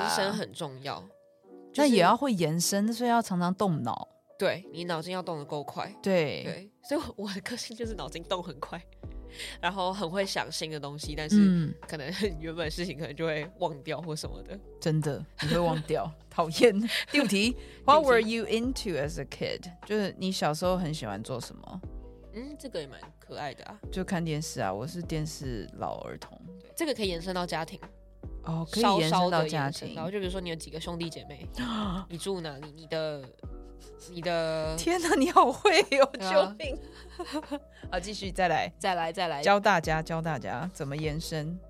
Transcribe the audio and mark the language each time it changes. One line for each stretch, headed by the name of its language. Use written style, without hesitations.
Chinese: 延伸很重要，就是，那也要会延伸，所以要常常动脑，对，你脑筋要动得够快。对对，所以我的个性就是脑筋动很快，然后很会想新的东西，但是可能原本事情可能就会忘掉或什么的，真的你会忘掉讨厌。第五题，
English: What were you into as a kid？
Chinese: 就是你小时候很喜欢做什么。嗯，这个也蛮可爱的啊，就看电视啊，我是电视老儿童。这个可以延伸到家庭哦，可以延伸到家庭，然后就比如说你有几个兄弟姐妹，你住哪里，你的天哪，你好会哦，救命，啊，好，继续，再来教大家怎么延伸。